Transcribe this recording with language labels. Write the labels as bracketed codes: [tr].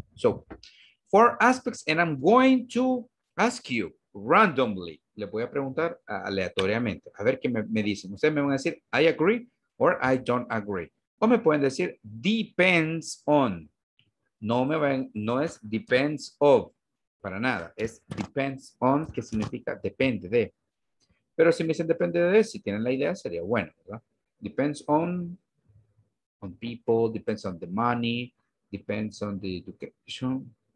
[en] So, four aspects, and I'm going to ask you randomly. [es] Le voy a preguntar aleatoriamente, a ver qué me dicen. Ustedes me van a decir, [en] I agree or I don't agree. [es] O me pueden decir, [en] depends on. [es] No es [en] depends of. [es] Para nada, es [en] depends on, [es] que significa depende de. Pero si me dicen depende de, si tienen la idea, sería bueno, ¿verdad? [en] Depends on people, depends on the money, depends on the education.